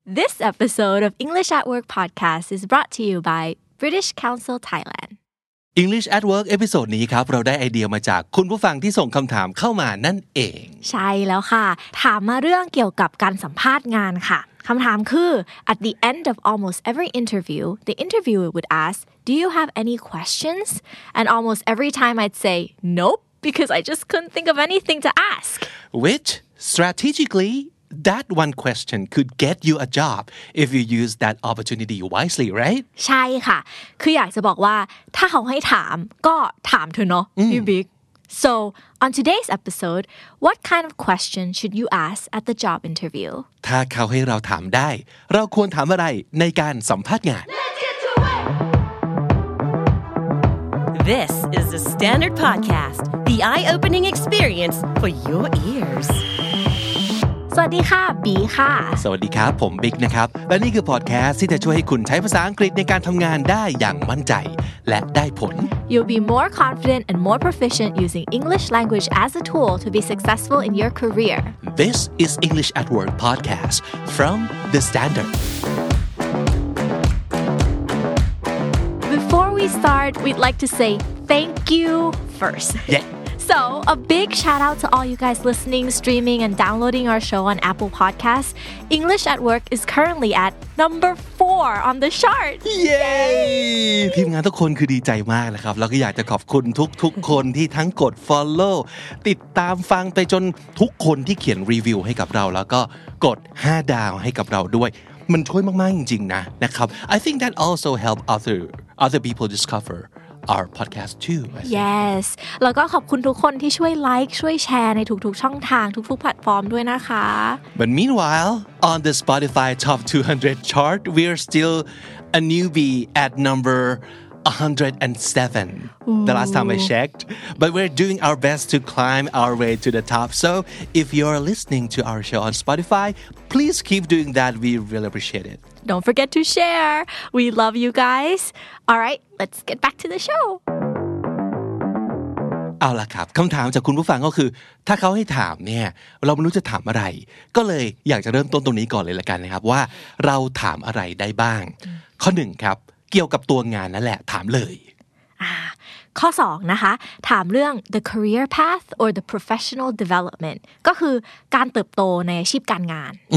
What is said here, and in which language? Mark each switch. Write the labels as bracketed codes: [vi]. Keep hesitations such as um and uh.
[en] This episode of English at Work podcast is brought to you by British Council Thailand. [th] English at Work เอพิโซดนี้ครับเราได้ไอเดียมาจากคุณผู้ฟังที่ส่งคำถามเข้ามานั่นเอง ใช่แล้วค่ะ ถามมาเรื่องเกี่ยวกับการสัมภาษณ์งานค่ะคำถามคือ [en] at the end of almost every interview the interviewer would ask do you have any questions and almost every time I'd say nope because I just couldn't think of anything to ask which strategically that one question could get you a job if you use that opportunity wisely right [th] ใช่ค่ะ คืออยากจะบอกว่าถ้าเขาให้ถามก็ถามเถอะเนาะพี่บิ๊ก [en] so on today's episode what kind of question should you ask at the job interview [th] ถ้าเขาให้เราถามได้ เราควรถามอะไรในการสัมภาษณ์งาน [en] This is the Standard Podcast the eye-opening experience for your ears [th] สวัสดีค่ะบีค่ะ สวัสดีครับผมบิ๊กนะครับและนี่คือพอดแคสต์ที่จะช่วยให้คุณใช้ภาษาอังกฤษในการทำงานได้อย่างมั่นใจ และได้ผล [en] You'll be more confident and more proficient using English language as a tool to be successful in your career This is English at Work podcast from the Standard Before we start, we'd like to say thank you first. Yeah, So, a big shout out to all you guys listening, streaming, and downloading our show on Apple Podcasts. English at Work is currently at number four on the chart. Yay! [th] ทีมงานทุกคนคือดีใจมากนะครับ แล้วก็อยากจะขอบคุณทุกๆคนที่ทั้งกด follow ติดตามฟังไปจนทุกคนที่เขียนรีวิวให้กับเราแล้วก็กด5ดาวให้กับเราด้วย มันช่วยมากๆจริงๆนะนะครับ [en] I think that also help other other people discover our podcast too [th] yes แล้วก็ขอบคุณทุกคนที่ช่วยไลค์ช่วยแชร์ในทุกๆช่องทางทุกๆแพลตฟอร์มด้วยนะคะ [en] but meanwhile on the Spotify top 200 chart we are still a newbie at number 107 the last time I checked. But we're doing our best to climb our way to the top. So if you're listening to our show on Spotify, please keep doing that. We really appreciate it. Don't forget to share. We love you guys. All right, let's get back to the show. [th] เอาละครับคำถามจากคุณผู้ฟังก็คือ ถ้าเขาให้ถามเนี่ยเราไม่รู้จะถามอะไร ก็เลยอยากจะเริ่มต้นตรงนี้ก่อนเลยละกันนะครับว่าเราถามอะไรได้บ้าง ข้อหนึ่งครับกี่ยวกับตัวงานนั่นแหละถามเลย ข้อสองนะคะถามเรื่อง [en] the career path or the professional development [th] ก็คือการเติบโตในอาชีพการงาน